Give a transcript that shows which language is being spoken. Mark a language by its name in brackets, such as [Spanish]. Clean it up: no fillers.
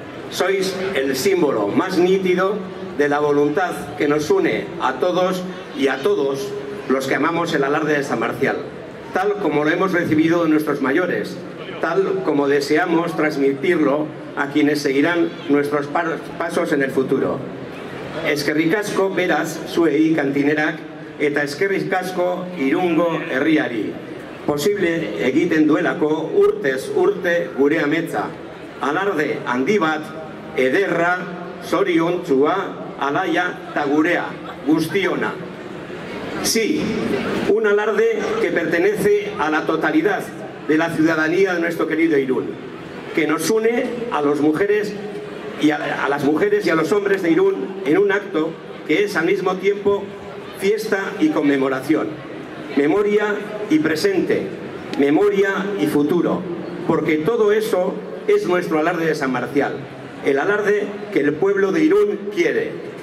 [Spanish] Sois el símbolo más nítido de la voluntad que nos une a todos y a todos los que amamos el alarde de San Martzial, tal como lo hemos recibido de nuestros mayores, tal como deseamos transmitirlo a quienes seguirán nuestros pasos en el futuro. [Basque] Eskerrik asko beraz zuei kantinerak eta eskerrik asko Irungo herriari. Posible egiten duelako urtez urte gure ametza. Alarde handi bat, ederra, zoriontsua, alaia eta gurea, guztiona. [Spanish] Sí, un alarde que pertenece a la totalidad de la ciudadanía de nuestro querido Irún, que nos une a las mujeres y a las mujeres y a los hombres de Irún en un acto que es al mismo tiempo fiesta y conmemoración, memoria y presente, memoria y futuro, porque todo eso es nuestro alarde de San Marcial, el alarde que el pueblo de Irún quiere.